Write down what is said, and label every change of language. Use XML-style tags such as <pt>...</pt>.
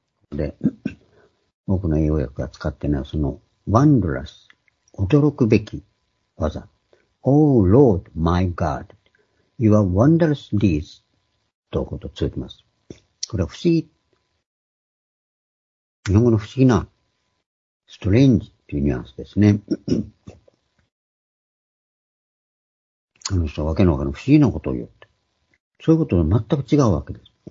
<ja>で、僕の栄養薬が使ってね、その、ワンドラス、驚くべき技。</ja> <en>Oh Lord, my God, you are wondrous deeds.</en> <ja>ということを続けます。これは不思議。日本語の不思議な、ストレンジっていうニュアンスですね。あの人はわけのわからない不思議なことを言って。そういうことと全く違うわけです。</ja>